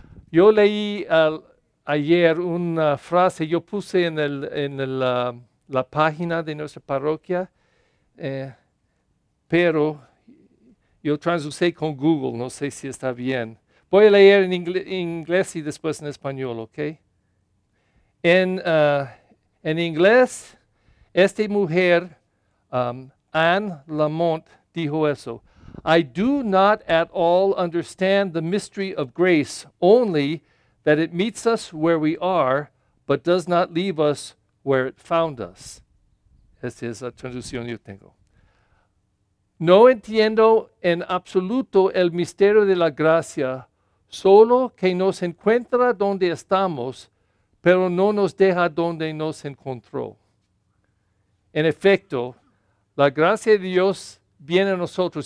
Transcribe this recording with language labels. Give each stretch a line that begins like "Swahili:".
Spanish: Yo leí ayer una frase, yo puse en la página de nuestra parroquia, pero yo traduje con Google, no sé si está bien. Voy a leer en inglés y después en español, ¿ok? En inglés, esta mujer, Anne Lamont, dijo eso.
English: I do not at all understand the mystery of grace, only that it meets us where we are, but does not leave us where it found us.
Spanish: Esta es la traducción que yo tengo. No entiendo en absoluto el misterio de la gracia, solo que nos encuentra donde estamos, pero no nos deja donde nos encontró. En efecto, la gracia de Dios viene a nosotros.